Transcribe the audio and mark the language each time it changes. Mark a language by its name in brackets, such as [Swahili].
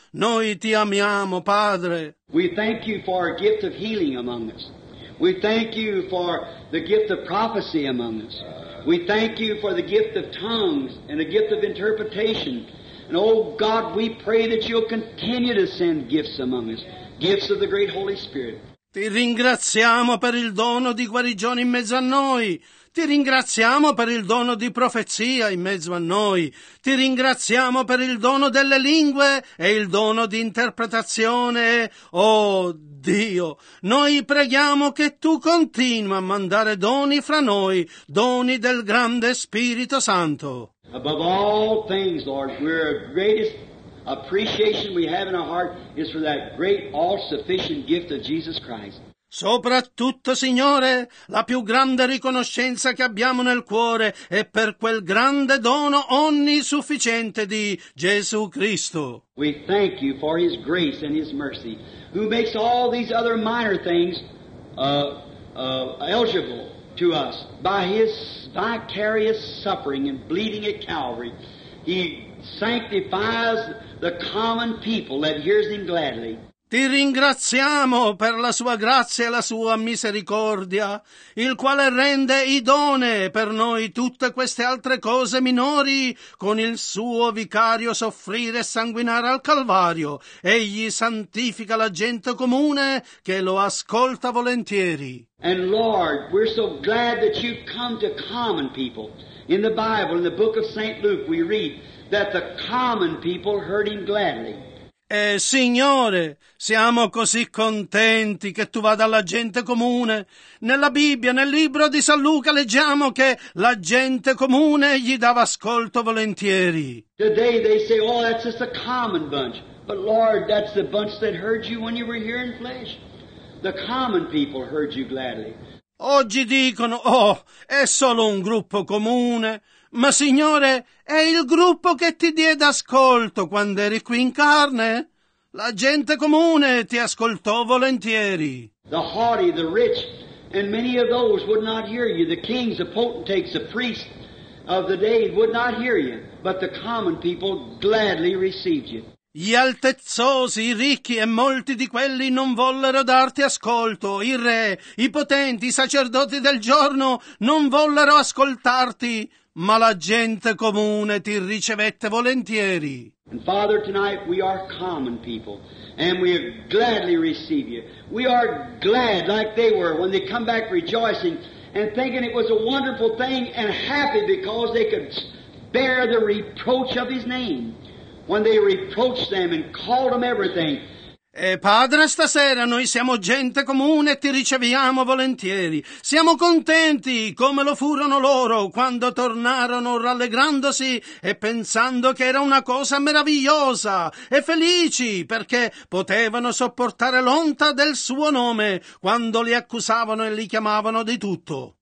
[Italian] Noi ti amiamo, Padre. [English] We thank you for our gift of healing among us. We thank you for the gift of prophecy among us. We thank you for the gift of tongues and the gift of interpretation. And, oh God, we pray that you'll continue to send gifts among us, gifts of the great Holy Spirit. [Italian] Ti ringraziamo per il dono di guarigione in mezzo a noi. Ti ringraziamo per il dono di profezia in mezzo a noi. Ti ringraziamo per il dono delle lingue e il dono di interpretazione. Oh Dio, noi preghiamo che tu continui a mandare doni fra noi, doni del grande Spirito Santo. [English] Above all things, Lord, we're the greatest appreciation we have in our heart is for that great all-sufficient gift of Jesus Christ. [Italian] Soprattutto, Signore, la più grande riconoscenza che abbiamo nel cuore è per quel grande dono onnisufficiente di Gesù Cristo. [English] We thank you for his grace and his mercy, who makes all these other minor things eligible to us by his vicarious suffering and bleeding at Calvary. He sanctifies the common people that hears him gladly. [Italian] Ti ringraziamo per la sua grazia e la sua misericordia, il quale rende idonee per noi tutte queste altre cose minori con il suo vicario soffrire e sanguinare al Calvario. Egli santifica la gente comune che lo ascolta volentieri. [English] And Lord, we're so glad that you come to common people. In the Bible, in the book of St. Luke, we read that the common people heard him gladly. [Italian] Signore, siamo così contenti che tu vada alla gente comune. Nella Bibbia, nel libro di San Luca, leggiamo che la gente comune gli dava ascolto volentieri. [English] Today they say, oh, that's just a common bunch. But Lord, that's the bunch that heard you when you were here in flesh. The common people heard you gladly. [Italian] Oggi dicono, oh, è solo un gruppo comune. Ma Signore, è il gruppo che ti diede ascolto quando eri qui in carne? La gente comune ti ascoltò volentieri. [English] The haughty, the rich, and many of those would not hear you. The kings, the potentates, the priests of the day would not hear you. But the common people gladly received you. [Italian] Gli altezzosi, i ricchi e molti di quelli non vollero darti ascolto. I re, i potenti, i sacerdoti del giorno non vollero ascoltarti. Ma la gente comune ti ricevette volentieri. [English] And Father, tonight we are common people, and we gladly receive you. We are glad like they were when they come back rejoicing and thinking it was a wonderful thing and happy because they could bear the reproach of his name. When they reproached them and called them everything. [Italian] E Padre, stasera noi siamo gente comune e ti riceviamo volentieri. Siamo contenti come lo furono loro quando tornarono rallegrandosi e pensando che era una cosa meravigliosa e felici perché potevano sopportare l'onta del suo nome quando li accusavano e li chiamavano di tutto.